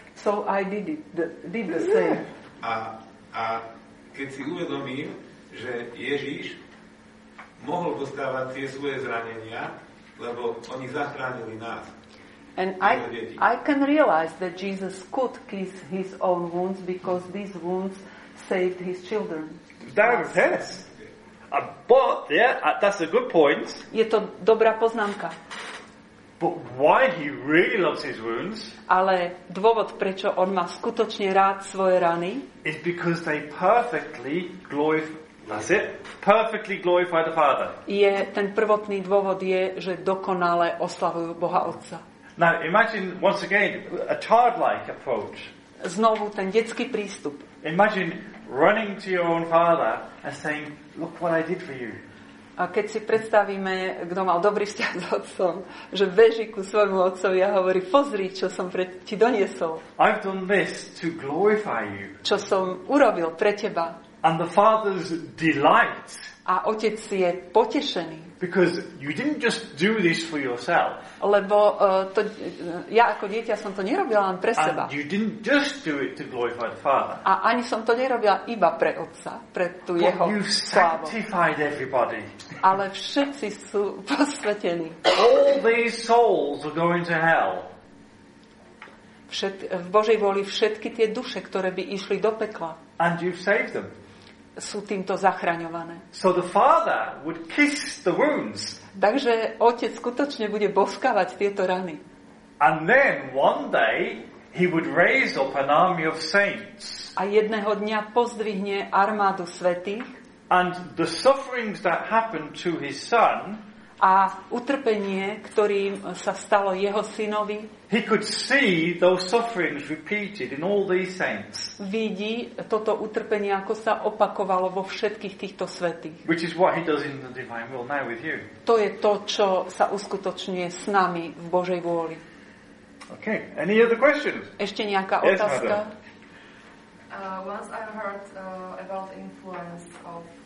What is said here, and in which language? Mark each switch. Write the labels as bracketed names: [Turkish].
[English] So I did it, did the same. [Slovak] A keď si uvedomím, že Ježiš mohol boskávať tie svoje zranenia, lebo oni zachránili nás. [English] And I can realize that Jesus could kiss his own wounds because these wounds saved his children. That's yes. But yeah, that's a good point. [Slovak] Je to dobrá poznámka. [English] But why he really loves his wounds? [Slovak] Ale dôvod, prečo on má skutočne rád svoje rany? [English] Is because they perfectly glorify. That's it. Perfectly glorify the Father. [Slovak] Je ten prvotný dôvod je, že dokonale oslavujú Boha Otca. [English] Now imagine once again a childlike approach. [Slovak] Znovu ten detský prístup. [English] Imagine running to your own father and saying, "Look what I did for you." [Slovak] A keď si predstavíme, kto mal dobrý vzťah s otcom, že beží ku svojmu otcovi a hovorí, "Pozri, čo som pre ti doniesol." [English] I've done this to glorify you. [Slovak] Čo som urobil pre teba. [English] And the Father's delight. [Slovak] A otec je potešený. [English] Because you didn't just do this for yourself. [Slovak] Lebo to ja ako dieťa som to nerobila len pre seba. [English] And you didn't just do it to glorify the Father. [Slovak] A ani som to nerobila iba pre otca, pre tú jeho slávu. [English] But you sanctified everybody. [Slovak] Ale všetci sú posvetení. [English] All these souls are going to hell. [Slovak] V Božej vôli všetky tie duše, ktoré by išli do pekla. [English] And you've saved them. [Slovak] Sú týmto zachraňované. [English] So the Father would kiss the wounds. [Slovak] Takže otec skutočne bude boskávať tieto rany. [English] And then one day he would raise up an army of saints. [Slovak] A jedného dňa pozdvihne armádu svätých. [English] And the sufferings that happened to his son. [Slovak] A utrpenie, ktorým sa stalo jeho synovi. [English] He could see those sufferings repeated in all these saints. [Slovak] Vidí toto utrpenie, ako sa opakovalo vo všetkých týchto svätých. [English] Which is what he does in the divine will now with you. [Slovak] To je to, čo sa uskutočňuje s nami v Božej vôli. [English] Okay, any other questions? [Slovak] Ešte nejaká otázka? [English] Once I heard about influence of